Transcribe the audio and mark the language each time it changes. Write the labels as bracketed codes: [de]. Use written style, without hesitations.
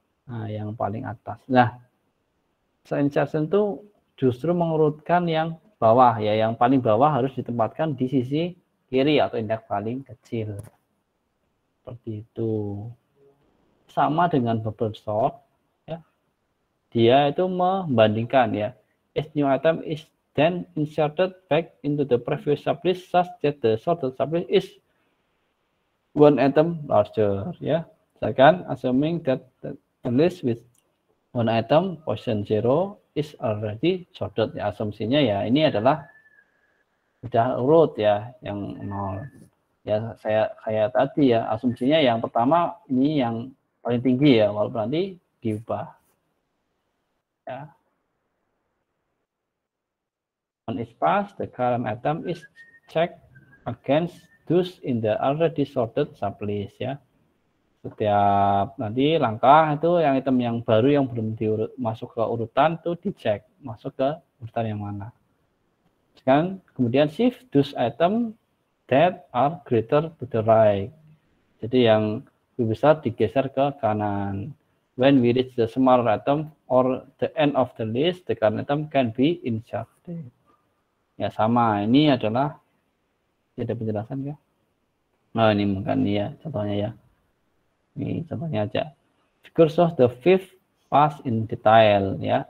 [id] Nah, yang paling atas. Nah, insertion itu justru mengurutkan yang bawah ya, yang paling bawah harus ditempatkan di sisi kiri atau indeks paling kecil. Seperti itu. Sama dengan bubble sort ya. Dia itu membandingkan ya. [en] Each new item is then inserted back into the previous sublist such that the sorted sublist is one item larger ya. [id] Misalkan [en] assuming that the list with one item position 0 is already sorted [id] ya, asumsinya ya ini adalah sudah urut ya yang 0 ya, saya kayak tadi ya, asumsinya yang pertama ini yang paling tinggi ya, walaupun nanti diubah ya. [en] When it's passed, the current item is checked against those in the already sorted sublist ya. [id] Setiap nanti langkah itu yang item yang baru yang belum diurut, masuk ke urutan itu dicek masuk ke urutan yang mana. Sekarang kemudian [en] shift those item that are greater to the right. [id] Jadi yang lebih besar digeser ke kanan. [en] When we reach the smaller item or the end of the list, the current item can be inserted. [id] Ya sama, ini adalah ada penjelasan ya. Nah, ini mungkin ya contohnya ya. Ini contohnya aja. [en] Figure shows the fifth pass in detail ya.